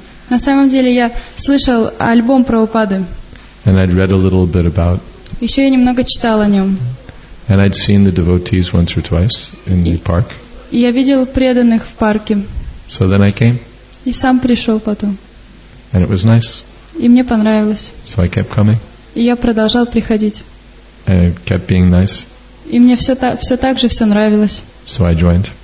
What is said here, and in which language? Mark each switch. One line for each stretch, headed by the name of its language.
Russian: На самом деле, я слышал альбом Прабхупады.
English: And I'd read a little bit about.
Russian: Еще я немного читал о нем.
English: And I'd seen the devotees once or twice in the park.
Russian: И я видел преданных в парке.
English: So then I came.
Russian: И сам пришел потом.
English: And it was nice.
Russian: И мне понравилось.
English: So I kept coming.
Russian: И я продолжал приходить.
English: And it kept being nice.
Russian: И мне все так же нравилось.
English: So I joined.